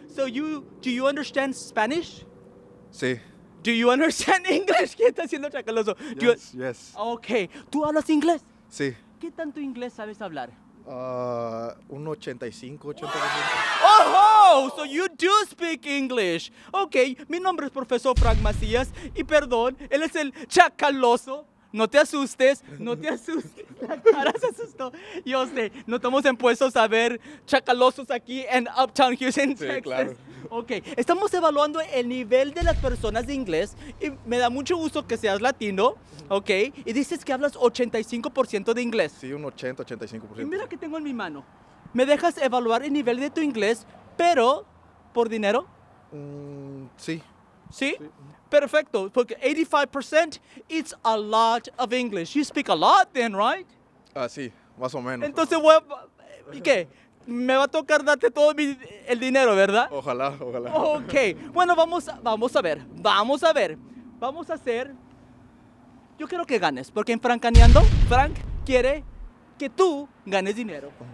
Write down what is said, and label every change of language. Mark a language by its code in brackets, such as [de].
[en] So you, do you understand Spanish? [es] Sí. [en] Do you understand English? [es] ¿Qué está haciendo chacaloso? [en] Yes, yes. [es] Okay. ¿Tú hablas inglés? Sí. ¿Qué tanto inglés sabes hablar? Un 85, 85. [en] Oh, so you do speak English. [es] Okay, mi nombre es profesor Frank Macías y perdón, él es el chacaloso. No te asustes, no te asustes. La cara se asustó. Yo sé, no estamos impuestos a ver chacalosos aquí en Uptown Houston, sí, Texas. Claro. Ok, estamos evaluando el nivel de las personas de inglés y me da mucho gusto que seas latino, ok, y dices que hablas 85% de inglés. Sí, un 80, 85%. Y mira que tengo en mi mano, me dejas evaluar el nivel de tu inglés, pero, ¿por dinero? Sí. ¿Sí? Sí. Perfecto, porque [en] 85% it's a lot of English. You speak a lot then, right? [es] Sí, más o menos. Entonces, ¿y qué? Me va a tocar darte todo el dinero, ¿verdad? Ojalá, ojalá. Ok. Bueno, vamos a ver. Vamos a hacer... Yo quiero que ganes, porque en francaneando, Frank quiere que tú ganes dinero.